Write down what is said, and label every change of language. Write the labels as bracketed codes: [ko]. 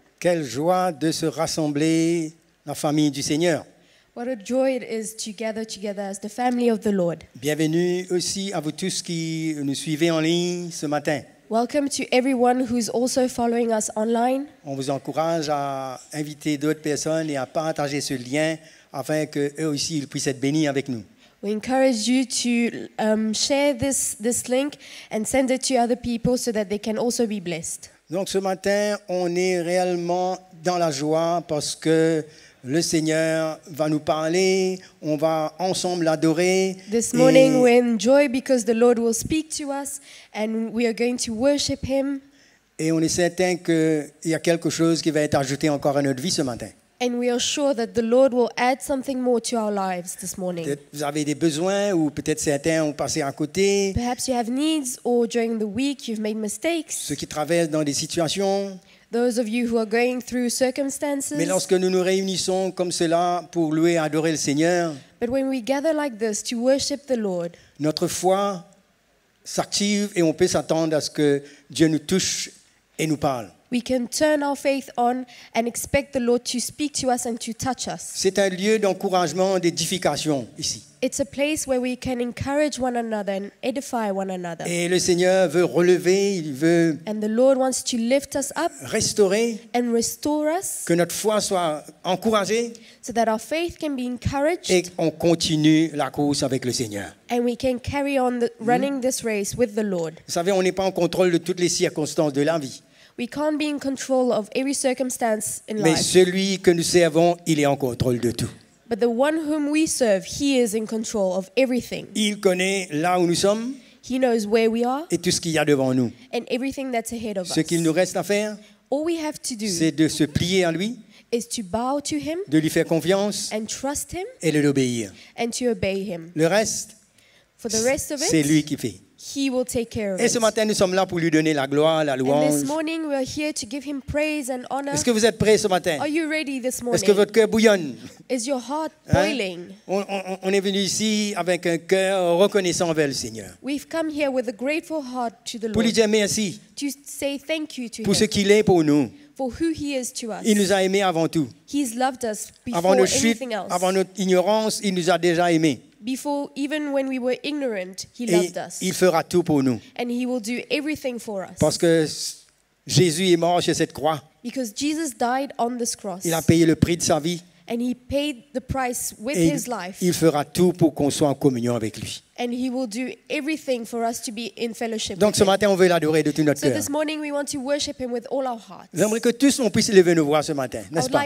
[fr] Quelle joie de se rassembler la famille du Seigneur. [en] What a joy it is to gather together as the family of the Lord. [fr] Bienvenue aussi à vous tous qui nous suivez en ligne ce matin. [en] Welcome to everyone who's also following us online. [fr] On vous encourage à inviter d'autres personnes et à partager ce lien afin que eux aussi ils puissent être bénis avec nous. [en] We encourage you to share this link and send it to other people so that they can also be blessed. [fr] Donc ce matin, on est réellement dans la joie parce que le Seigneur va nous parler, on va ensemble l'adorer. [en] This morning we're in joy because the Lord will speak to us and we are going to worship him. [fr] Et on est certain qu'il y a quelque chose qui va être ajouté encore à notre vie ce matin. [en] And we are sure that the Lord will add something more to our lives this morning. [fr] Vous avez des besoins ou peut-être certains ont passé à côté. [en] Perhaps you have needs or during the week you've made mistakes. [fr] Ceux qui traversent dans des situations. [en] Those of you who are going through circumstances. [fr] Mais lorsque nous nous réunissons comme cela pour louer et adorer le Seigneur. [en] But when we gather like this to worship the Lord. [fr] Notre foi s'active et on peut s'attendre à ce que Dieu nous touche et nous parle. [en] We can turn our faith on and expect the Lord to speak to us and to touch us. [fr] C'est un lieu d'encouragement, d'édification ici. [en] It's a place where we can encourage one another and edify one another. [fr] Et le Seigneur veut relever, il veut. [en] And the Lord wants to lift us up. [fr] Restaurer. [en] And restore us. [fr] Que notre foi soit encouragée. [en] So that our faith can be encouraged. [fr] Et on continue la course avec le Seigneur. [en] And we can carry on running this race with the Lord. [fr] Vous savez, on n'est pas en contrôle de toutes les circonstances de la vie. [en] We can't be in control of every circumstance in life. [fr] Mais celui que nous servons, il est en contrôle de tout. [en] But the one whom we serve, he is in control of everything. [fr] Il connaît là où nous sommes. [en] He knows where we are. [fr] Et tout ce qu'il y a devant nous. [en] And everything that's ahead of us. [fr] Ce qu'il nous reste à faire. [en] All we have to do. [fr] C'est de se plier à lui. [en] Is to bow to him. [fr] De lui faire confiance. [en] And trust him. [fr] Et de l'obéir. [en] And to obey him. [fr] Le reste. [en] For the rest of it. [fr] C'est lui qui fait. [en] He will take care of [fr] Et ce matin, nous sommes là pour lui donner la gloire, la louange. [en] And this morning, we are here to give him praise and honor. [fr] Est-ce que vous êtes prêts ce matin? [en] Are you ready this morning? [fr] Est-ce que votre cœur bouillonne? [en] Is your heart boiling? Hein? [fr] On est venu ici avec un cœur reconnaissant envers le Seigneur. [en] We've come here with a grateful heart to the Lord. [fr] Pour lui dire merci. [en] To say thank you to him. [fr] Pour ce qu'il est pour nous. [en] For who he is to us. [fr] Il nous a aimés avant tout. [en] He's loved us before [fr] avant notre chute, [en] anything else. [fr] Avant notre ignorance, il nous a déjà aimés. [en] Before, even when we were ignorant, he [fr] Et [en] loved us. [fr] Il fera tout pour nous. [en] And he will do everything for us. [fr] Parce que Jésus est mort sur cette croix. [en] Because Jesus died on this cross. [fr] Il a payé le prix de sa vie. [en] And he paid the price with [fr] Et [en] his life. [fr] Il fera tout pour qu'on soit en communion avec lui. [en] And he will do everything for us to be in fellowship [fr] Donc, Donc ce matin, on veut l'adorer de tout notre [en] so [fr] cœur. [en] So this morning, we want to worship him with all our hearts. [fr] J'aimerais que tous on puisse lever nos voix ce matin, n'est-ce pas?